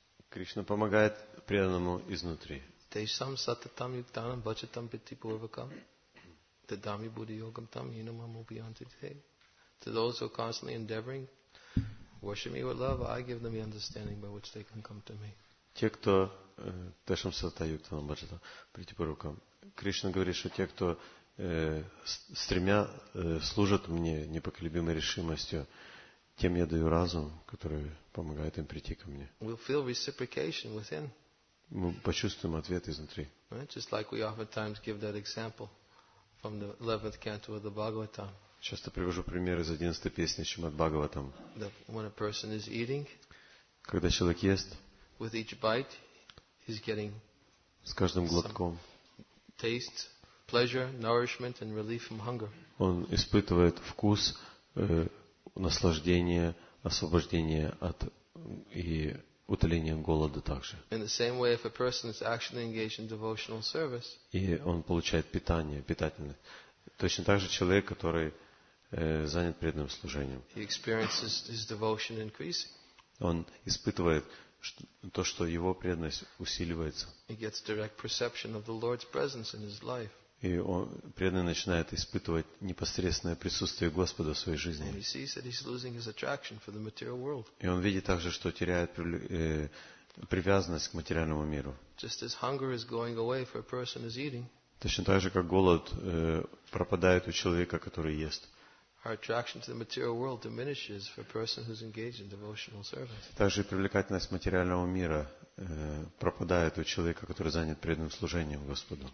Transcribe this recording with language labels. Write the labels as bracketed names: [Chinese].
[Russian] Krishna помогает преданному изнутри. [Sanskrit] Tesham satatam yuktanam bhajatam piti purvakam tadami buddhi yogam tam yinamam ubiyanti te. [English] To those who are constantly endeavoring, worship me with love, I give them the understanding by which they can come to me. [Russian] Те, кто [Sanskrit] tesham satatam yuktanam bhajatam piti purvakam. [Russian] Кришна говорит, что те, кто стремя служат мне непоколебимой решимостью, тем я даю разум, который помогает им прийти ко мне. [English] We'll feel reciprocation within. [Russian] Мы почувствуем ответ изнутри. [English] Right? Just like we oftentimes give that example from the 11th canto of the Bhagavatam. [Russian] Часто привожу пример из 11-й песни Шримад-Бхагаватам. [English] When a person is eating, [Russian] когда человек ест, [English] with each bite, he's getting [Russian] с каждым глотком [English] taste, pleasure, nourishment and relief from hunger. [Russian] Он испытывает вкус, наслаждение, освобождение от и утоление голода также. [English] In the same way, if a person is actually engaged in devotional service, [Russian] и он получает питание, питательное. Точно так же человек, который занят преданным служением, [English] he experiences his devotion increasing. [Russian] Он испытывает то, что его преданность усиливается. [English] He gets direct perception of the Lord's presence in his life. [Russian] И он преданный начинает испытывать непосредственное присутствие Господа в своей жизни. [English] And he sees that he's losing his attraction for the material world. [Russian] И он видит также, что теряет привязанность к материальному миру. [English] Just as hunger is going away for a person who's eating. [Russian] Точно так же, как голод пропадает у человека, который ест. [English] Our attraction to the material world diminishes for a person who's engaged in devotional service. [Russian] Также привлекательность материального мира пропадает у человека, который занят преданным служением Господу.